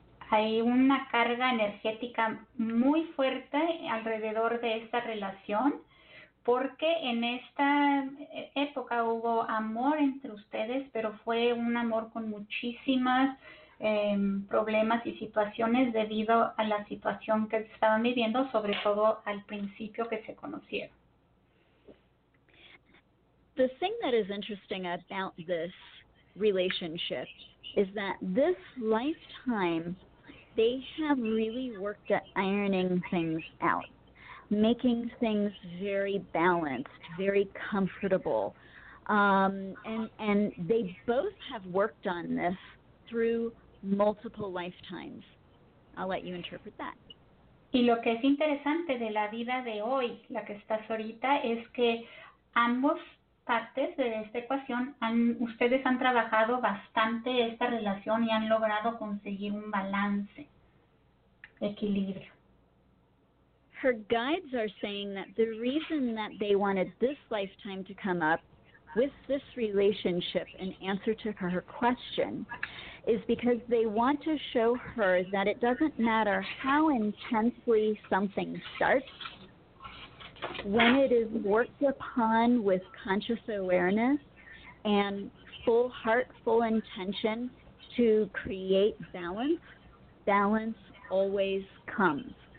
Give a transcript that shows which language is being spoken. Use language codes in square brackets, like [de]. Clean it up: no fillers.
[es] Hay una carga energética muy fuerte alrededor de esta relación, porque en esta época hubo amor entre ustedes, pero fue un amor con muchísimas problemas y situaciones debido a la situación que estaban viviendo, sobre todo al principio que se conocieron. [en] The thing that is interesting about this relationship is that this lifetime, they have really worked at ironing things out, making things very balanced, very comfortable. And they both have worked on this through multiple lifetimes. I'll let you interpret that. [es] Y lo que es interesante de la vida de hoy, la que estás ahorita, es que ambos partes de esta ecuación, ustedes han trabajado bastante esta relación y han logrado conseguir un balance, equilibrio. [en] Her guides are saying that the reason that they wanted this lifetime to come up with this relationship in answer to her question is because they want to show her that it doesn't matter how intensely something starts, when it is worked upon with conscious awareness and full heart, full intention to create balance, balance always comes.